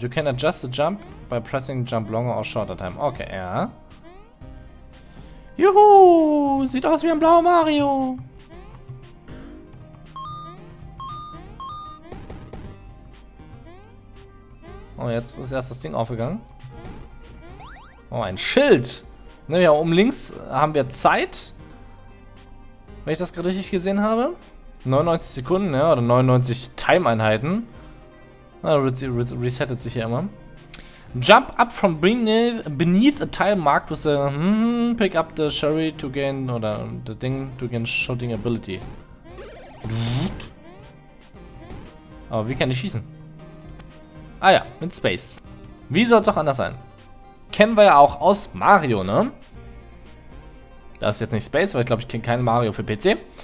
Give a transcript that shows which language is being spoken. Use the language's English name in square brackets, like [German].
[English] You can adjust the jump by pressing jump longer or shorter time. [German] Okay, ja. Juhu, sieht aus wie ein blauer Mario. Oh, jetzt ist erst das Ding aufgegangen. Oh, ein Schild. Ne, ja, oben links haben wir Zeit. Wenn ich das gerade richtig gesehen habe. 99 Sekunden, ja, oder 99 Time-Einheiten. Resettet sich hier immer. [English] Jump up from beneath a tile marked with a... pick up the sherry to gain... oder the thing to gain shooting ability. [German] Aber wie kann ich schießen? Ah ja, mit Space. Wie soll es auch anders sein? Kennen wir ja auch aus Mario, ne? Das ist jetzt nicht Space, weil ich glaube, ich kenne keinen Mario für PC.